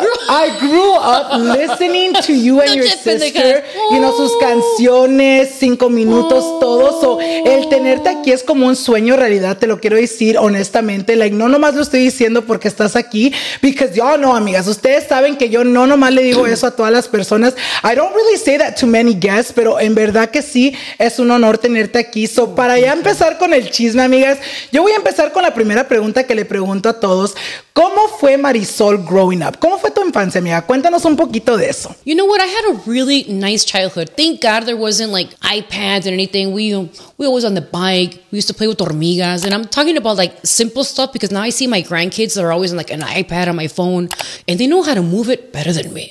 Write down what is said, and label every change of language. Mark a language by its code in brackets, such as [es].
[en] Grew- I grew up listening to you and your sister. [es] Oh. You know, sus canciones, cinco minutos, oh. todo. So, el tenerte aquí es como un sueño realidad, te lo quiero decir honestamente. Like, no nomás lo estoy diciendo porque estás aquí. [en] Because y'all know, [es] amigas, ustedes saben que yo no nomás le digo eso a todas las personas. [en] I don't really say that to many guests, [es] pero en verdad que sí, es un honor tenerte aquí. So, para ya empezar con el chisme, amigas, yo voy a empezar con la primera pregunta que le pregunto a todos. ¿Cómo fue Marisol [en] growing up? [es] ¿Cómo fue tu infancia, amiga? Cuéntanos un poquito de eso. [en] You know what? I had a really nice childhood. Thank God there wasn't like iPads and anything. We always on the bike. We used to play with hormigas. And I'm talking about like simple stuff because now I see my grandkids that are always on like an iPad on my phone and they know how to move it better than me.